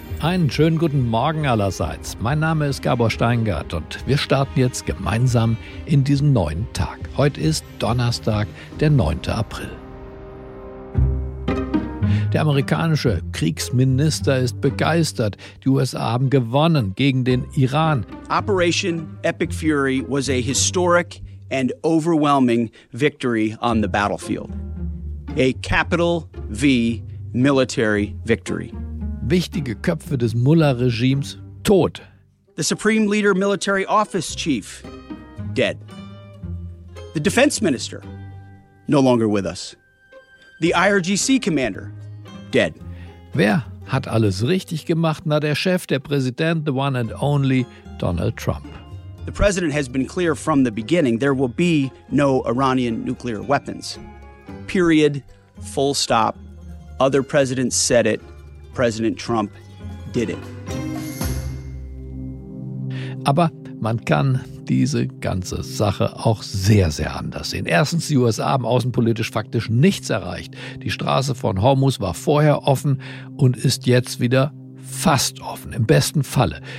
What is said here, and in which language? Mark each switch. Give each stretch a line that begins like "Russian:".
German: Einen schönen guten Morgen allerseits. Mein Name ist Gábor Steingart und wir starten jetzt gemeinsam in diesen neuen Tag. Heute ist Donnerstag, der 9. April. Der amerikanische Kriegsminister ist begeistert. Die USA haben gewonnen gegen den Iran.
English: Operation Epic Fury was a historic and overwhelming victory on the battlefield. A capital V military victory.
German: Wichtige Köpfe des Mullah-Regimes tot.
English: The Supreme Leader Military Office Chief dead. The Defense Minister no longer with us. The IRGC Commander dead.
German: Wer hat alles richtig gemacht? Na, der Chef, der Präsident,
English: the one and only Donald Trump. The President has been clear from the beginning, there will be no Iranian nuclear weapons. Period. Full stop. Other presidents said it. President Trump did it.
German: Aber man kann diese ganze Sache auch sehr, sehr anders sehen. Erstens, die USA haben außenpolitisch faktisch nichts erreicht. Die Straße von Hormuz war vorher offen und ist jetzt wieder fast offen. Im besten Falle.